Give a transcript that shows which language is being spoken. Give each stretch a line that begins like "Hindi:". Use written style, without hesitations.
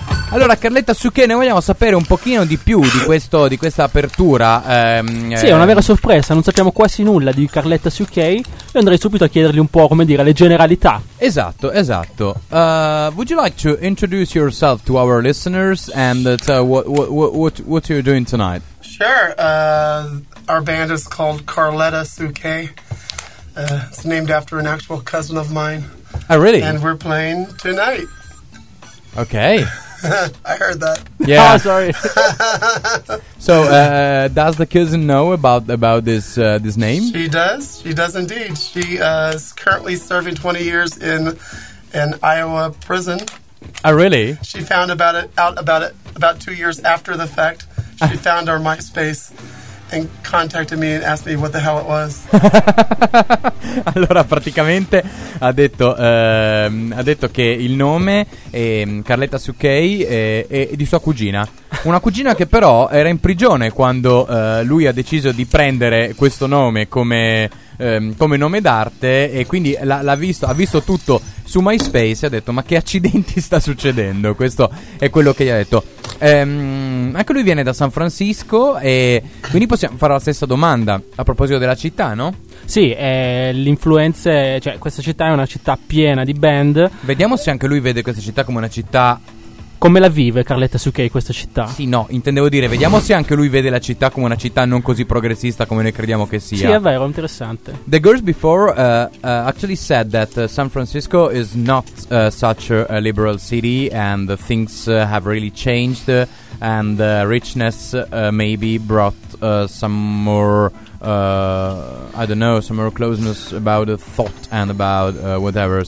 Italian: Allora, Carletta Succhè, ne vogliamo sapere un pochino di più di questo, di questa apertura. Sì, è una vera sorpresa, non sappiamo quasi nulla di Carletta Succhè. Io andrei subito a chiedergli un po', come dire, le generalità. Esatto, esatto.
English: Would you like to introduce yourself to our listeners and what are you doing tonight? Sure, our band is called Carletta Succhè. It's named after an actual cousin of mine. Oh, really? And we're playing tonight. Okay. I heard that. Yeah. Oh, sorry. So, does the cousin know about this this name? She does. She does indeed. She is currently serving 20 years in an Iowa prison. Oh, really? She found out about it about 2 years after the fact. She found our MySpace and contacted me and asked me what the hell it was.
Italian: Allora, praticamente ha detto che il nome è Carletta Succhè è di sua cugina. Una cugina che però era in prigione quando lui ha deciso di prendere questo nome come nome d'arte, e quindi ha visto tutto su MySpace e ha detto: ma che accidenti sta succedendo? Questo è quello che gli ha detto. Anche lui viene da San Francisco, e quindi possiamo fare la stessa domanda a proposito della città, no? Sì, l'influenza, cioè questa città è una città piena di band. Vediamo se anche lui vede questa città come una città. Come la vive Carletta Succhè questa città? Sì, no, intendevo dire, vediamo se anche lui vede la città come una città non così progressista come noi crediamo che sia. Sì, è vero, interessante.
English: The girls before actually said that San Francisco is not such a liberal city and things have really changed and the richness maybe brought some more I don't know, some more closeness about the thought and about whatever.